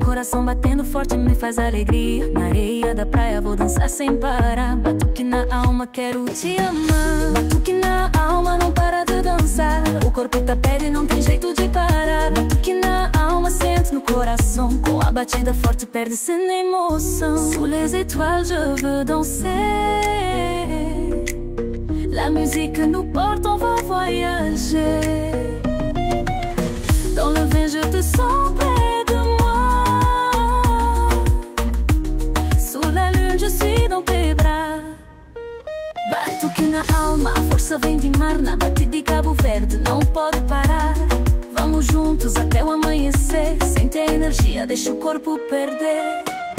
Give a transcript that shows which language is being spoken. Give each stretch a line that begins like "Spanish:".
Portuguese: Coração batendo forte me faz alegria. Na areia da praia vou dançar sem parar. Batuque na alma, quero te amar. Batuque na alma, não para de dançar. O corpo tá pede, não tem jeito de parar. Batuque na alma, sente no coração. Com a batida forte perde-se na emoção.
French: Sous les étoiles, je veux danser. La musique nous porte, on va voyager. Je te sens près de moi. Sous la lune, je suis dans tes bras.
Portuguese: Batuque na alma, a força vem de mar. Na batida de Cabo Verde, não pode parar. Vamos juntos até o amanhecer. Sente a energia, deixa o corpo perder.